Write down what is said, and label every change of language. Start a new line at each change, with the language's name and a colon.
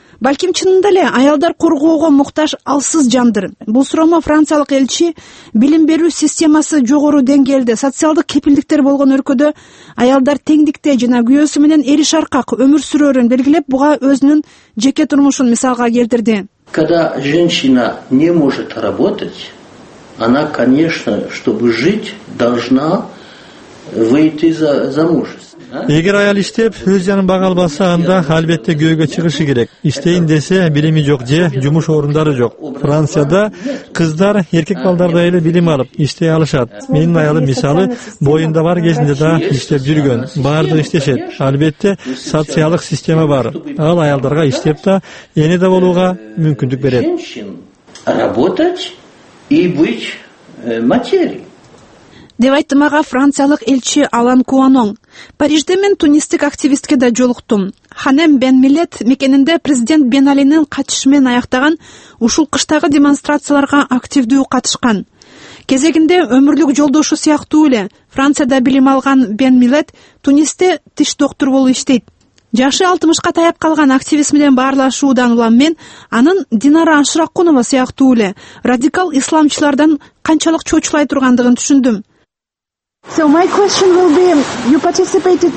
Kyrgyz: Балким чынында эле аялдар коргоого муктаж алсыз жандыр. Бул суроого Франциялык элчи билим берүү системасы жогору деңгээлде, социалдык кепилдиктер болгон өлкөдө аялдар теңдикте жана күйөөсү менен эри шаркак өмүр сүрөөрүн белгилеп, буга өзүнүн жеке турмушун мисалга келтирди.
Russian: Когда женщина не может работать, она, конечно, чтобы жить, должна выйти за замуж.
Kyrgyz: Эгер аял иштеп, өз жанын бага албаса, анда албетте күйөөгө чыгышы керек. Иштейин десе, билими жок же жумуш орундары жок. Францияда кыздар эркек балдардай эле билим алып, иштей алышат. Менин аялым мисалы боюнда бар кезинде да иштеп жүргөн. Баардыгы иштешет. Албетте, социалдык система бар. Ал аялдарга иштеп да, эне да болууга мүмкүндүк берет.
Russian: Работать и быть матерью.
Kyrgyz: Деп айтты мага Франциялык элчи Алан Куанон. Парижде мен тунистик активистке да жолуктум. Ханем Бен Милет мекенинде президент Бен Алинин катышымен аяктаган ушул кыштагы демонстрацияларга активдүү катышкан. Кезегинде өмүрлүк жолдошу сыяктуу эле Францияда билим алган Бен Милет Тунисте тиш доктор болуп иштейт. Жашы 60 таяп калган активист менен баарлашуудан улам мен анын Динара Ашыракунова сыяктуу эле радикал исламчылардан канчалык чочулай тургандыгын түшүндүм.
English: So my question will be, you participated.